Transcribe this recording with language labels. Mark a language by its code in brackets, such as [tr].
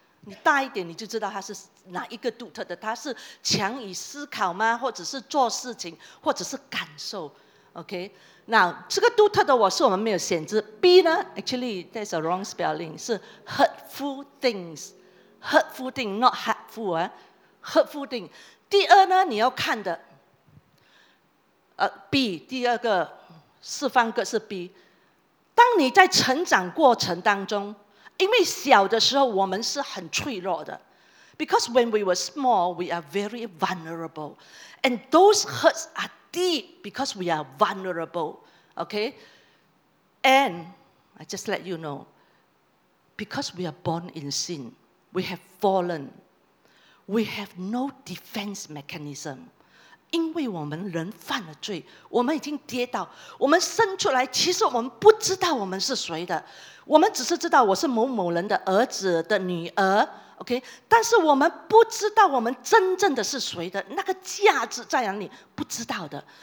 [zh] 你大一点你就知道他是哪一个独特的，他是强于思考吗？或者是做事情，或者是感受 ？OK。那这个独特的我是我们没有选择。 [en] B 呢 ？Actually, that's a wrong spelling. 是 hurtful things, hurtful thing, not hurtful 啊 ，hurtful thing. [zh] 第二呢，你要看的，B 第二个四方格是 B。当你在成长过程当中，因为小的时候我们是很脆弱的 ， [en] because when we were small, we are very vulnerable, and those hurts are. Deep, because we are vulnerable, okay? And I just let you know, because we are born in sin, we have fallen. We have no defense mechanism. [zh] 因为我们人犯了罪，我们已经跌倒，我们生出来其实我们不知道我们是谁的，我们只是知道我是某某人的儿子的女儿， OK， 但是我们不知道我们真正的是谁的，那个价值在哪里，不知道的。